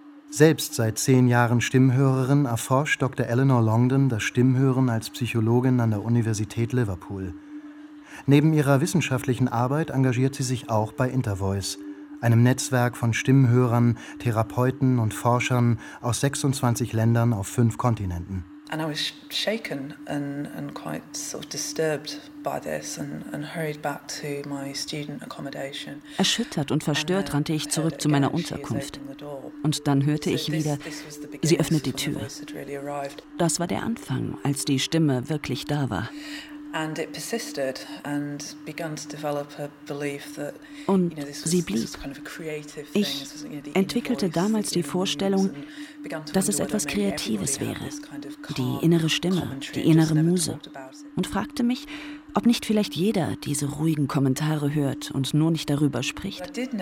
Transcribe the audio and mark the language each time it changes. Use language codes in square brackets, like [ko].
[de] Selbst seit 10 Jahren Stimmhörerin erforscht Dr. Eleanor Longdon das Stimmhören als Psychologin an der Universität Liverpool. Neben ihrer wissenschaftlichen Arbeit engagiert sie sich auch bei Intervoice, einem Netzwerk von Stimmhörern, Therapeuten und Forschern aus 26 Ländern auf 5 Kontinenten. [en] And I was shaken and quite sort of disturbed by this and hurried back to my student accommodation. [de] Erschüttert und verstört rannte ich zurück zu meiner Unterkunft. Und dann hörte ich wieder, sie öffnet die Tür. Das war der Anfang, als die Stimme wirklich da war. [en] And it persisted and began to develop a belief that, [de] und sie blieb. Ich entwickelte damals die Vorstellung, dass es etwas Kreatives wäre, die innere Stimme, die innere Muse, und fragte mich, ob nicht vielleicht jeder diese ruhigen Kommentare hört und nur nicht darüber spricht.